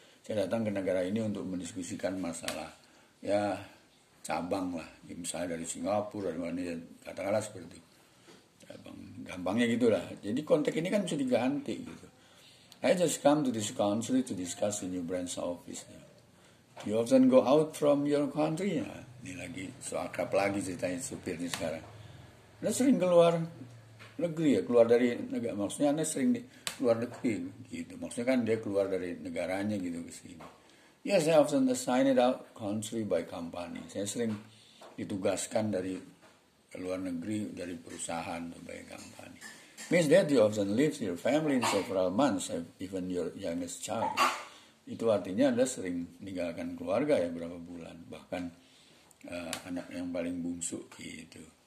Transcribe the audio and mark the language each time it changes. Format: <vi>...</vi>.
<id>Saya datang ke negara ini untuk mendiskusikan masalah, ya, cabang lah. Ya, misalnya dari Singapura, dari mana, katakanlah seperti itu. Cabang, gampangnya gitu lah. Jadi konteks ini kan bisa diganti gitu.</id> <en>I just come to this country to discuss the new branch office. You often go out from your country?</en> <id>Ya, ini lagi, so akrab lagi ceritanya supir ini sekarang. Anda sering keluar negeri ya, keluar dari negara. Maksudnya Anda sering di luar negeri gitu, maksudnya kan dia keluar dari negaranya gitu ke sini.</id> <en>Yes, I often assigned out country by company.</en> <id>Saya sering ditugaskan dari luar negeri dari perusahaan atau</id> <en>by company. means that you often leave your family in several months, even your youngest child.</en> <id>Itu artinya Anda sering meninggalkan keluarga ya berapa bulan, bahkan anak yang paling bungsu gitu.</id>